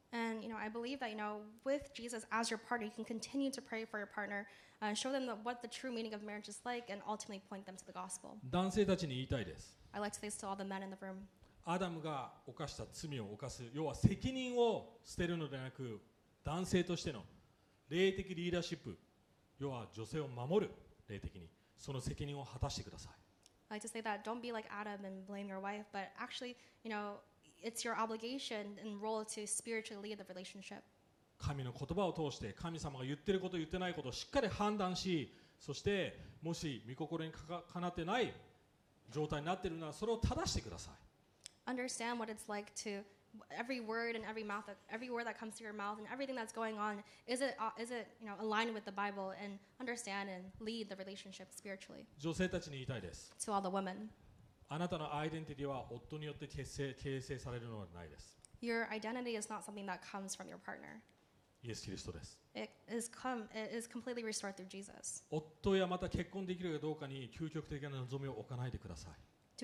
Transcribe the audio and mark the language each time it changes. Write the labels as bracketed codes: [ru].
[en] And you know, I believe that you know, with Jesus as your partner, you can continue to pray for your partner, show them what the true meaning of marriage is like, and ultimately point them to the gospel. [ja] 男性たちに言いたいです。 [en] I'd like to say this to all the men in the room. [ja] アダムが犯した罪を犯す、要は責任を捨てるのではなく、男性としての霊的リーダーシップ、要は女性を守る霊的に、その責任を果たしてください。 [en] I like to say that don't be like Adam and blame your wife, but actually, you know, it's your obligation and role to spiritually lead the relationship. [ja] 神の言葉を通して神様が言ってること言ってないことをしっかり判断し、そしてもし御心にかなってない状態になっているならそれを正してください。 [en] Understand what it's like to every word and every mouth, every word that comes to your mouth and everything that's going on, is it you know, aligned with the Bible and understand and lead the relationship spiritually. [ja] 女性たちに言いたいです。 [en] To all the women. [ja] あなたのアイデンティティは夫によって形成されるのではないです。 [en] Your identity is not something that comes from your partner. [ja] イエス・キリストです。 [en] It is completely restored through Jesus. [ja] 夫やまた結婚できるかどうかに究極的な望みを置かないでください。